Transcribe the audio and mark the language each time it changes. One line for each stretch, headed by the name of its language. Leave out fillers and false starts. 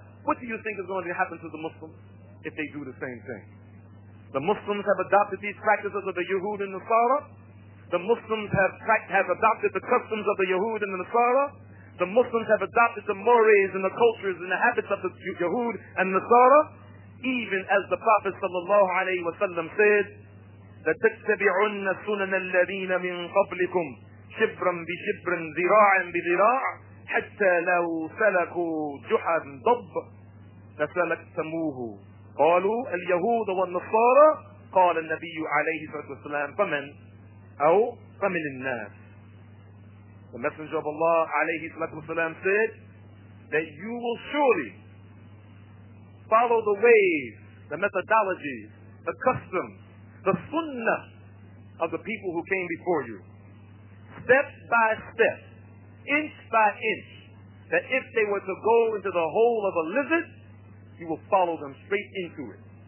English: What do you think is going to happen to the Muslims if they do the same thing? The Muslims have adopted these practices of the Yahud and Nasara. The Muslims have adopted the customs of the Yahud and the Nasara. The Muslims have adopted the mores and the cultures and the habits of the Yahud and Nasara. Even as the Prophet sallallahu alayhi wa sallam said,
Arabic: لَتَتَّبِعُنَّ سُنَنَ الَّذِينَ مِنْ قَبْلِكُمْ شِبْرًا بِشِبْرٍ ذِرَاعًا بِذِرَاعٍ حَتَّى لَوْ سَلَكُوا جُحَرٍ ضَبٍ فَسَلَكْتَمُوهُ. قالوا اليهود والنصارى قال النبي عليه الصلاة والسلام فمن أو فمن الناس.
English: The Messenger of Allah عليه الصلاة والسلام said that you will surely follow the ways, the methodologies, the customs, the sunnah of the people who came before you, step by step, inch by inch, that if they were to go into the hole of a lizard, you will follow them straight into it.